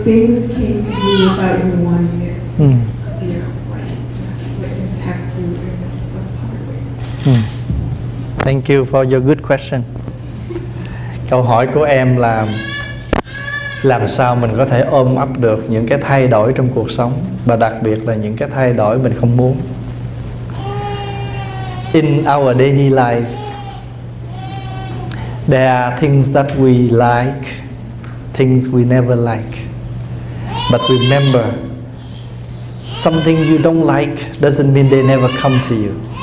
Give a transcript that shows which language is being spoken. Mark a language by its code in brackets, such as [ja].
[en] Things came to you about you wanting it. Thank you for your good question. [vi] Câu hỏi của em là làm sao mình có thể ôm ấp được những cái thay đổi trong cuộc sống, và đặc biệt là những cái thay đổi mình không muốn. [en] In our daily life, there are things that we like, things we never like. But remember, something you don't like doesn't mean they never come to you.